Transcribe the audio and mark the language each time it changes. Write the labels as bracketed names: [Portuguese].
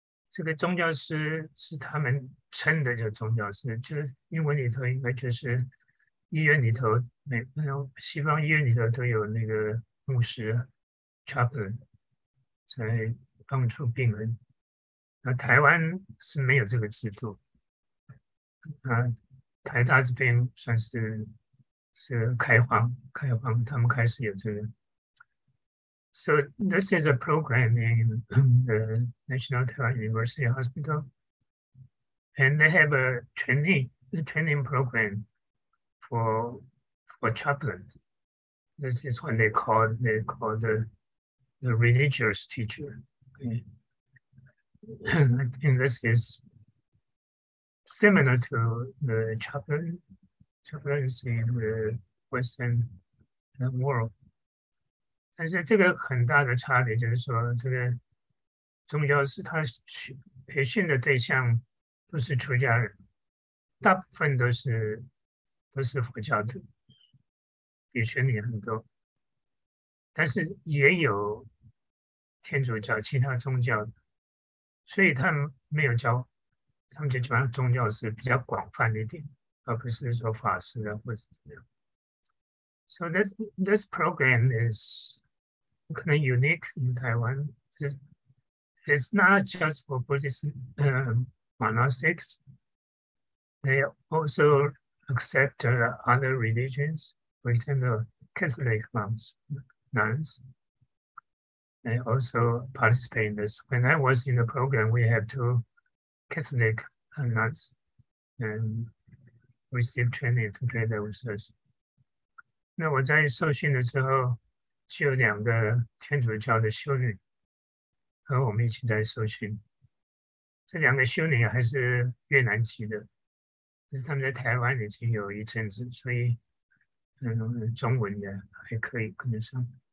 [Chinese] 这个宗教师是他们称的叫宗教师，就是英文里头应该就是医院里头西方医院里头都有那个牧师 chaplain，才帮助病人。那台湾是没有这个制度，那台大这边算是开放，他们开始有这个。 [English] So this is a program in the National Taiwan University Hospital, and they have a training program for chaplains. This is what they call the religious teacher. Okay. I think this is similar to the chaplaincy in the Western world. [Chinese] 但是这个很大的差别就是说，这个宗教是他培训的对象不是出家人，大部分都是佛教徒，比丘尼很多，但是也有天主教其他宗教，所以他们没有教，他们就基本上宗教是比较广泛一点，而不是说法师啊或者怎么样。 [English] So this program is kind of unique in Taiwan. It's not just for Buddhist monastics. They also accept other religions, for example, Catholic nuns. They also participate in this. When I was in the program, we had two Catholic nuns and received training together with us. [Chinese] 那我在受训的时候，是有两个天主教的修女和我们一起在受训，这两个修女还是越南籍的，但是他们在台湾已经有一阵子，所以中文也还可以跟得上。